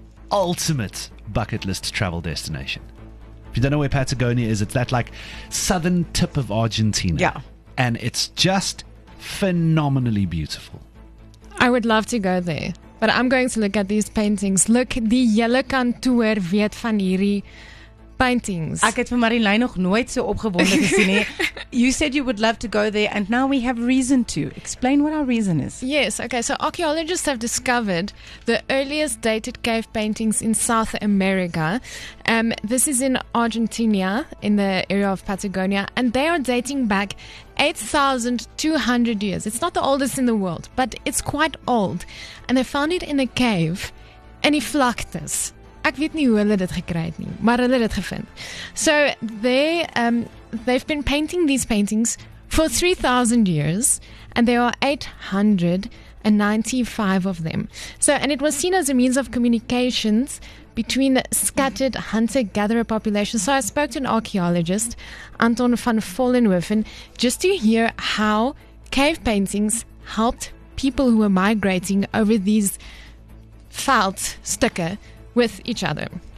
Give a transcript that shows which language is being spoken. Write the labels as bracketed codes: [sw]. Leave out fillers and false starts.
[en] Ultimate bucket list travel destination. If you don't know where Patagonia is, it's that like southern tip of Argentina. Yeah. And it's just phenomenally beautiful. I would love to go there, but I'm going to look at these paintings. [af] Look, die hele kantoor weet van hierdie paintings. Ek het vir Marilyn nog nooit so opgewonde gesien nie. [en] You said you would love to go there, and now we have reason to. Explain what our reason is. Yes, okay. So archaeologists have discovered the earliest dated cave paintings in South America. This is in Argentina, in the area of Patagonia, and they are dating back 8,200 years. It's not the oldest in the world, but it's quite old. And they found it in a cave, in Iflactus. [af] Ek weet nie hoe hulle dit gekry het nie, maar hulle het dit gevind. [en] So they've been painting these paintings for 3,000 years, and there are 895 of them. So, and it was seen as a means of communications between scattered hunter-gatherer populations. So I spoke to an archaeologist, Anton van Vollenhoven, just to hear how cave paintings helped people who were migrating over these veldstukke with each other.